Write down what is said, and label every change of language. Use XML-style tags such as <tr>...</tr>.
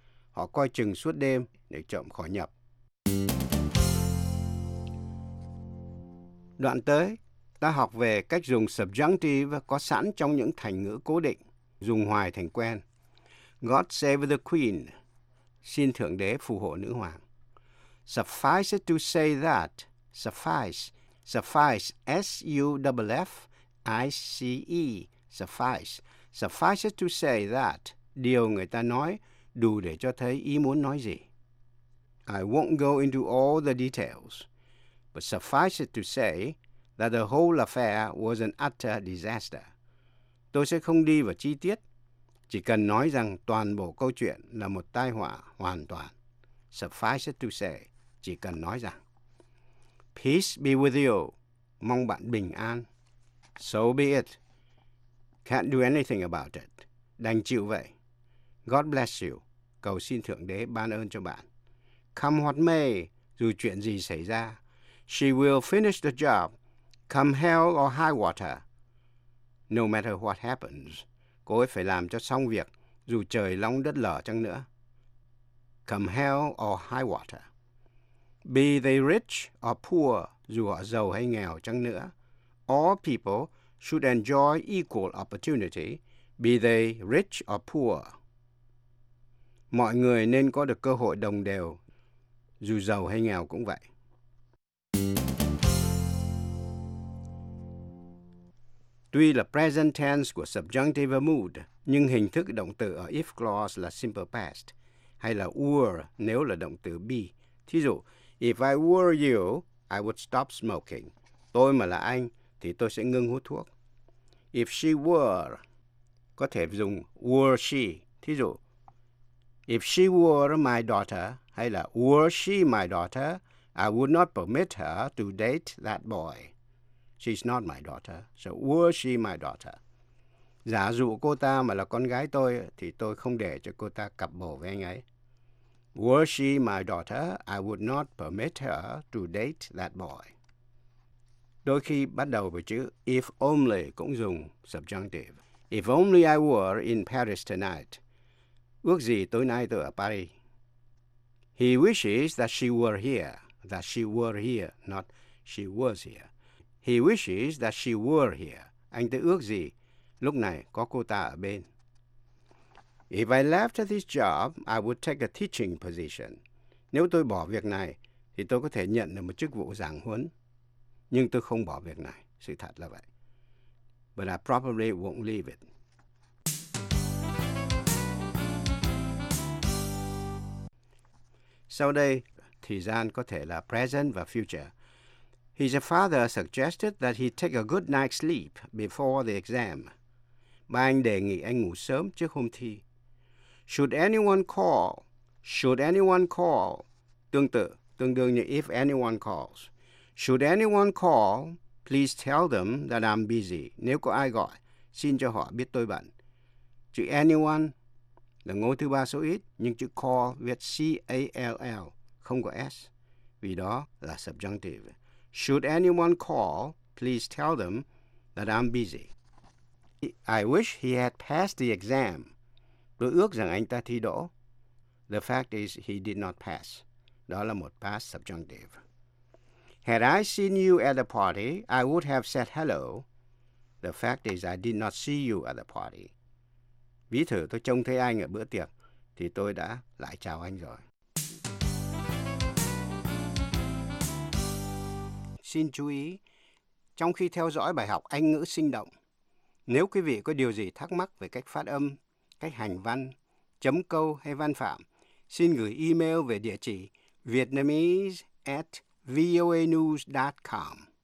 <vi>Họ coi chừng suốt đêm để trộm khỏi nhập. Đoạn tới, ta học về cách dùng subjunctive có sẵn trong những thành ngữ cố định, dùng hoài thành quen.</vi> <en>God save the queen,</en> <vi>xin Thượng Đế phù hộ nữ hoàng.</vi> <en>Suffice it to say that, suffice, S-U-F-F-I-C-E, suffice. Suffice it to say that,</en> <vi>điều người ta nói đủ để cho thấy ý muốn nói gì.</vi> <en>I won't go into all the details, but suffice it to say that the whole affair was an utter disaster.</en> <vi>Tôi sẽ không đi vào chi tiết, chỉ cần nói rằng toàn bộ câu chuyện là một tai họa hoàn toàn.</vi> <en>Suffice it to say,</en> <vi>chỉ cần nói rằng.</vi> <en>Peace be with you.</en> <vi>Mong bạn bình an.</vi> <en>So be it. Can't do anything about it.</en> <vi>Đành chịu vậy.</vi> <en>God bless you.</en> <vi>Cầu xin Thượng Đế ban ơn cho bạn.</vi> <en>Come what may,</en> <vi>dù chuyện gì xảy ra,</vi> <en>she will finish the job. Come hell or high water, no matter what happens,</en> <vi>cô ấy phải làm cho xong việc, dù trời long đất lở chăng nữa.</vi> <en>Come hell or high water. Be they rich or poor,</en> <vi>dù họ giàu hay nghèo chăng nữa.</vi> <en>All people should enjoy equal opportunity, be they rich or poor.</en> <vi>Mọi người nên có được cơ hội đồng đều, dù giàu hay nghèo cũng vậy. Tuy là present tense của subjunctive mood, nhưng hình thức động từ ở if clause là simple past, hay là were nếu là động từ be. Thí dụ,</vi> <en>if I were you, I would stop smoking.</en> <vi>Tôi mà là anh, thì tôi sẽ ngưng hút thuốc.</vi> <en>If she were,</en> <vi>có thể dùng</vi> <en>were she.</en> <vi>Thí dụ,</vi> <en>if she were my daughter,</en> <vi>hay là</vi> <en>were she my daughter, I would not permit her to date that boy. She's not my daughter, so were she my daughter?</en> <vi>Giả dụ cô ta mà là con gái tôi, thì tôi không để cho cô ta cặp bồ với anh ấy.</vi> <en>Were she my daughter, I would not permit her to date that boy.</en> <vi>Đôi khi bắt đầu với chữ if only cũng dùng subjunctive.</vi> <en>If only I were in Paris tonight.</en> <vi>Ước gì tối nay tôi ở Paris.</vi> <en>He wishes that she were here. That she were here, not she was here. He wishes that she were here.</en> <vi>Anh ta ước gì lúc này có cô ta ở bên.</vi> <en>If I left this job, I would take a teaching position.</en> <vi>Nếu tôi bỏ việc này, thì tôi có thể nhận được một chức vụ giảng huấn. Nhưng tôi không bỏ việc này. Sự thật là vậy.</vi> <en>But I probably won't leave it.</en> <vi>Sau đây, thời gian có thể là present và future.</vi> <en>His father suggested that he take a good night's sleep before the exam.</en> <vi>Ba anh đề nghị anh ngủ sớm trước hôm thi.</vi> <en>Should anyone call?</en> <vi>Tương đương như</vi> <en>if anyone calls. Should anyone call, please tell them that I'm busy.</en> <vi>Nếu có ai gọi, xin cho họ biết tôi bận. Chữ anyone là ngôi thứ ba số ít, nhưng chữ call viết C-A-L-L, không có S. Vì đó là subjunctive.</vi> <en>Should anyone call, please tell them that I'm busy. I wish he had passed the exam.</en> <vi>Tôi ước rằng anh ta thi đỗ.</vi> <en>The fact is he did not pass.</en> <vi>Đó là một past subjunctive.</vi> <en>Had I seen you at the party, I would have said hello. The fact is I did not see you at the party.</en> <vi>Ví thử tôi trông thấy anh ở bữa tiệc, thì tôi đã lại chào anh rồi. Xin chú ý, trong khi theo dõi bài học Anh ngữ sinh động, nếu quý vị có điều gì thắc mắc về cách phát âm, cách hành văn, chấm câu hay văn phạm, xin gửi email về địa chỉ vietnamese@voanews.com.</vi>